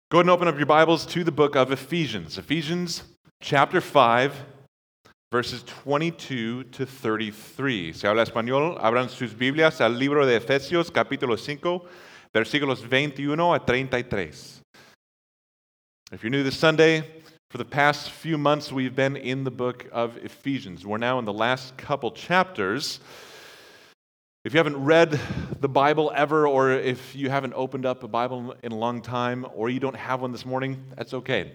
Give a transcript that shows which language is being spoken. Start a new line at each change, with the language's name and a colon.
English: Go ahead and open up your Bibles to the book of Ephesians. Ephesians chapter 5, verses 22 to 33.
Spanish: Si habla español, abran sus Biblias al libro de Efesios, capítulo 5, versículos 21 a 33.
English: If you're new this Sunday, for the past few months we've been in the book of Ephesians. We're now in the last couple chapters. If you haven't read the Bible ever, or if you haven't opened up a Bible in a long time, or you don't have one this morning, that's okay.